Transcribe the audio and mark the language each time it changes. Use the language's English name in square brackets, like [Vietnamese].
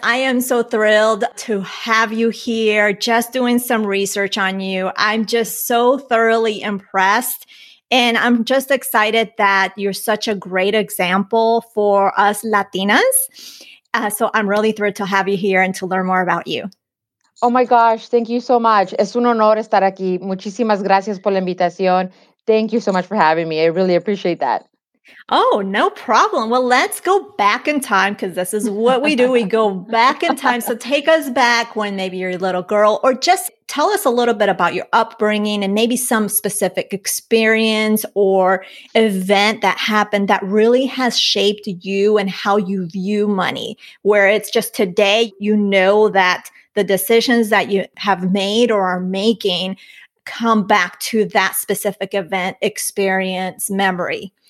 [English] I am so thrilled to have you here. Just doing some research on you. I'm just so thoroughly impressed. And I'm just excited that you're such a great example for us Latinas. So I'm really thrilled to have you here and to learn more about you. Oh my gosh, thank you so much. [Spanish] Es un honor estar aquí. Muchísimas gracias por la invitación. [English] Thank you so much for having me. I really appreciate that. Oh, no problem. Well, let's go back in time because this is what we do. We go back in time. So take us back when maybe you're a little girl, or just tell us a little bit about your upbringing and maybe some specific experience or event that happened that really has shaped you and how you view money, where it's just today, you know that the decisions that you have made or are making come back to that specific event, experience, memory.